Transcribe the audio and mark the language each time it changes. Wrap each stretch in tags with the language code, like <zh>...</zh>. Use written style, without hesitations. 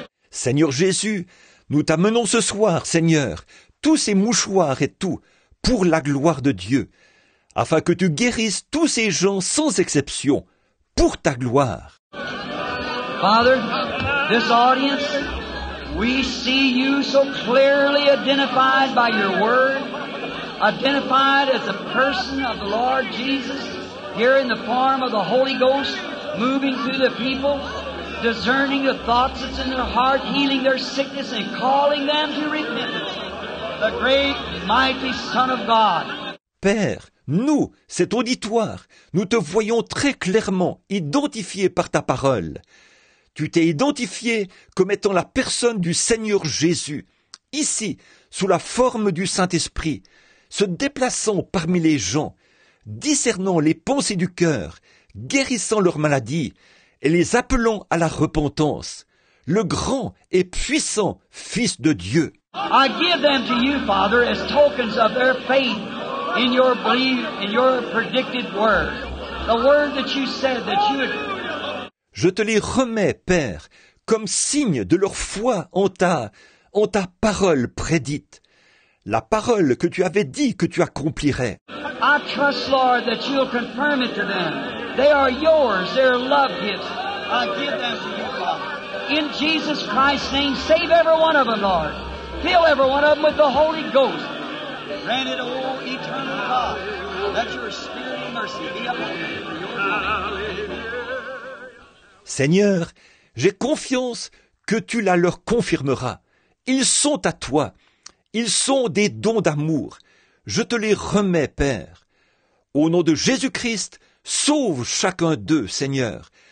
<fr>Seigneur Jésus, nous t'amenons ce soir, Seigneur, tous ces mouchoirs et tout, pour la gloire de Dieu, afin que tu guérisses tous ces gens sans exception, pour ta gloire.</fr> <en>Father, this audience, we see you so clearly identified by your word, identified as the person of the Lord Jesus, here in the form of the Holy Ghost, moving through the people, discerning the thoughts that's in their heart, healing their sickness, and calling them to repentance. The great, mighty Son of God.</en> <fr>Père, nous, cet auditoire, nous te voyons très clairement identifié par ta parole. Tu t'es identifié comme étant la personne du Seigneur Jésus, ici, sous la forme du Saint-Esprit, se déplaçant parmi les gens, discernant les pensées du cœur, guérissant leurs maladies et les appelant à la repentance, le grand et puissant Fils de Dieu.</fr> <en>I give them to you, Father, as tokens of their faith in your belief, in your predicted word, the word that you said that you would.</en> <fr>Je te les remets, Père, comme signe de leur foi en ta parole prédite, la parole que tu avais dit que tu accomplirais.</fr> <en>I trust, Lord, that you'll confirm it to them. They are yours. They are love gifts. I give them to you, Father. In Jesus Christ's name, save every one of them, Lord. Fill every one of them with the Holy Ghost. Grant it, O eternal God, let your spirit of mercy be upon them.</en> <fr>Seigneur, j'ai confiance que tu la leur confirmeras. Ils sont à toi. Ils sont des dons d'amour. Je te les remets, Père. Au nom de Jésus-Christ, sauve chacun d'eux, Seigneur.</fr>